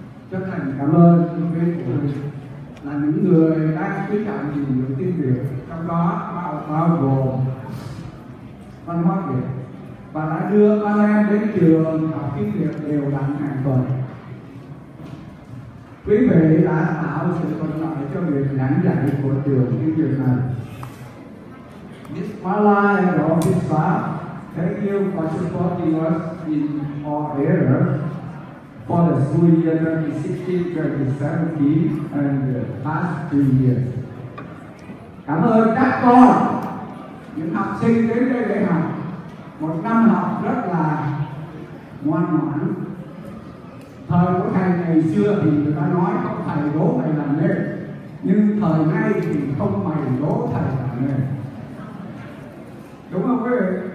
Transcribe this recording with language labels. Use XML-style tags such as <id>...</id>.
<vi>Chân thành cảm ơn quý vị của mình là những người đang quý trọng gìn giữ tiếng Việt, trong đó bao gồm văn hóa Việt, và đã đưa con em đến trường học tiếng Việt đều đặn hàng tuần. Quý vị đã tạo sự thuận lợi cho việc giảng dạy của trường tiếng Việt này.</vi> <en>Miss Mala and all this staff, thank you for supporting us in our era for the school year 2016-2017 and the past 3 years.</en> <vi>Cảm ơn các con, những học sinh đến đây để học. Một năm học rất là ngoan ngoãn. Thời của thầy ngày xưa thì người ta nói có thầy đố mày làm nên, nhưng thời nay thì không mày đố thầy làm nên. Đúng không quý vị?</vi>